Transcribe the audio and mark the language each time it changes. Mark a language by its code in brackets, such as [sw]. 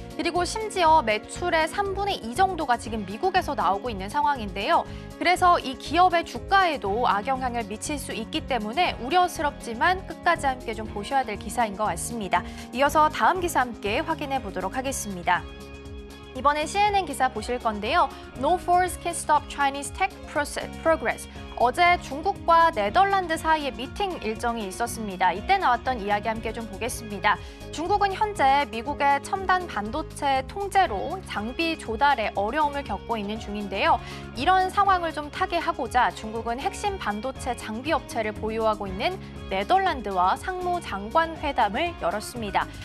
[ko] 그리고 심지어 매출의 3분의 2 정도가 지금 미국에서 나오고 있는 상황인데요. 그래서 이 기업의 주가에도 악영향을 미칠 수 있기 때문에 우려스럽지만 끝까지 함께 좀 보셔야 될 기사인 것 같습니다. 이어서 다음 기사 함께 확인해 보도록 하겠습니다. 이번에 CNN 기사 보실 건데요. [en] No force can stop Chinese tech progress. [ko] 어제 중국과 네덜란드 사이에 미팅 일정이 있었습니다. 이때 나왔던 이야기 함께 좀 보겠습니다. 중국은 현재 미국의 첨단 반도체 통제로 장비 조달에 어려움을 겪고 있는 중인데요. 이런 상황을 좀 타개하고자 중국은 핵심 반도체 장비 업체를 보유하고 있는 네덜란드와 상무장관 회담을 열었습니다.